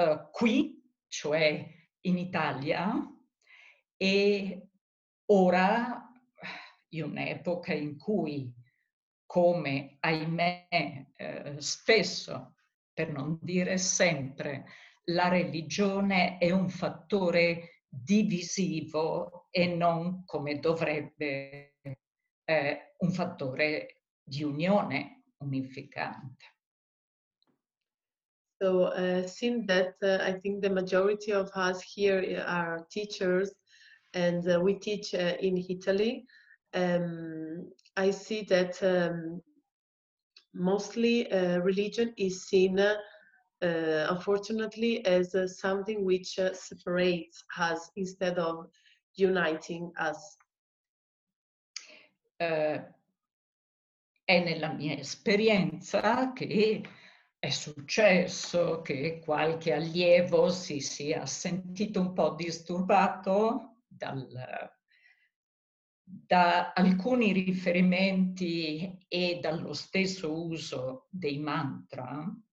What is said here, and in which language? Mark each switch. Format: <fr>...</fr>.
<it>qui, cioè in Italia, e ora in un'epoca in cui, come ahimè spesso, per non dire sempre, la religione è un fattore divisivo e non, come dovrebbe, un fattore di unione unificante.</it> <en>So, seeing that I think the majority of us here are teachers and we teach in Italy, I see that mostly religion is seen, unfortunately, as something which separates us instead of uniting us.</en> <it>È nella mia esperienza che è successo che qualche allievo si sia sentito un po' disturbato da alcuni riferimenti e dallo stesso uso dei mantra.</it>